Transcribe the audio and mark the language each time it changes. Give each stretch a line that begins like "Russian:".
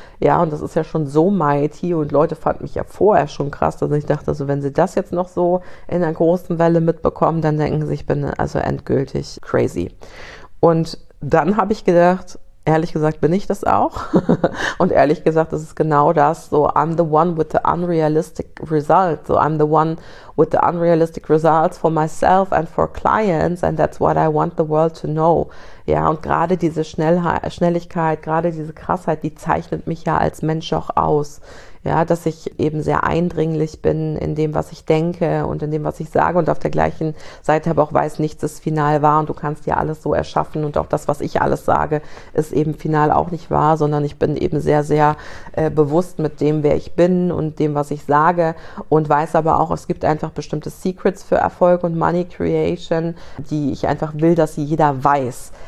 German: Ja, und das ist ja schon so mighty und Leute fanden mich ja vorher schon krass, dass ich dachte, also wenn sie das jetzt noch so in einer großen Welle mitbekommen, dann denken sie, ich bin also endgültig crazy. Und dann habe ich gedacht, ehrlich gesagt bin ich das auch. Und ehrlich gesagt, das ist genau das.
English: So, I'm the one with the unrealistic results. So, I'm the one with the unrealistic results for myself and for clients. And that's what I want the world to know.
German: Ja, und gerade diese Schnelligkeit, gerade diese Krassheit, die zeichnet mich ja als Mensch auch aus. Ja, dass ich eben sehr eindringlich bin in dem, was ich denke und in dem, was ich sage und auf der gleichen Seite aber auch weiß, nichts ist final wahr und du kannst dir alles so erschaffen und auch das, was ich alles sage, ist eben final auch nicht wahr, sondern ich bin eben sehr, sehr bewusst mit dem, wer ich bin und dem, was ich sage und weiß aber auch, es gibt einfach bestimmte Secrets für Erfolg und Money Creation, die ich einfach will, dass sie jeder weiß.